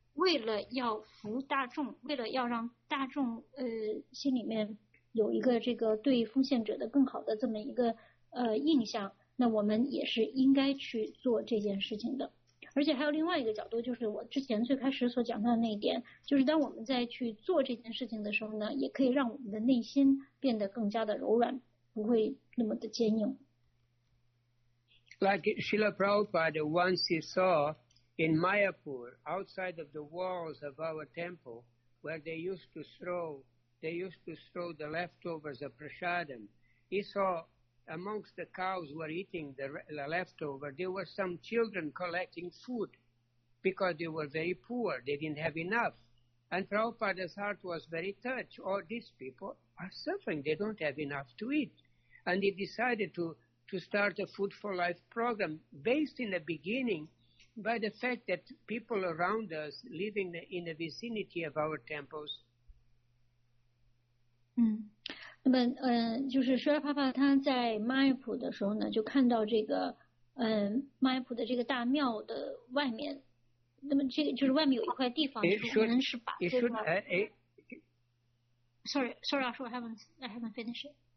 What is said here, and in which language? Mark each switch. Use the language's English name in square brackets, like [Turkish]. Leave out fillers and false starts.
[Chinese] 为了要服大众，为了要让大众心里面有一个这个对奉献者的更好的这么一个印象，那我们也是应该去做这件事情的。而且还有另外一个角度，就是我之前最开始所讲到的那一点，就是当我们在去做这件事情的时候呢，也可以让我们的内心变得更加的柔软，不会那么的坚硬。 [English] Like Srila Prabhupada once he saw.In Mayapur, outside of the walls of our temple, where they used to throw the leftovers of prasadam. He saw amongst the cows were eating the leftover, there were some children collecting food because they were very poor. They didn't have enough. And Prabhupada's heart was very touched. All these people are suffering. They don't have enough to eat. And he decided to start a Food for Life program based in the beginning by the fact that people around us living in the vicinity of our temples. [Chinese] 那么，就是舒拉帕帕他在麦普的时候呢，就看到这个，麦普的这个大庙的外面，那么这个就是外面有一块地方，可能是把这块。 [English] Sorry, sorry, I haven't finished.